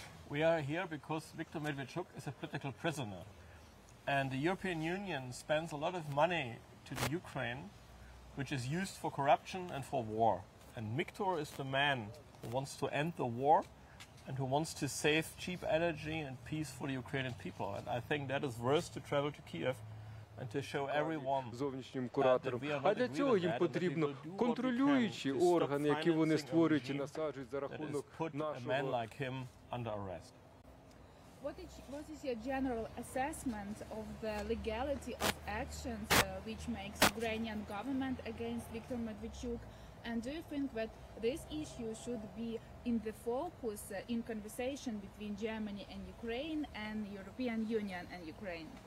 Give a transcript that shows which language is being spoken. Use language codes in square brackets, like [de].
[en] We are here because Viktor Medvedchuk is a political prisoner. And the European Union spends a lot of money to the Ukraine, which is used for corruption and for war. And Viktor is the man who wants to end the war and who wants to save cheap energy and peace for the Ukrainian people. And I think that is worth to travel to Kyiv and to show everyone [uk] зовнішнім куратором. А для цього їм потрібно контролюючі органи, які вони створюють і насаджують за рахунок нашого. [en] A man like him under arrest. What is your general assessment of the legality of actions which makes Ukrainian government against Viktor Medvedchuk? And do you think that this issue should be in the focus in conversation between Germany and Ukraine and European Union and Ukraine?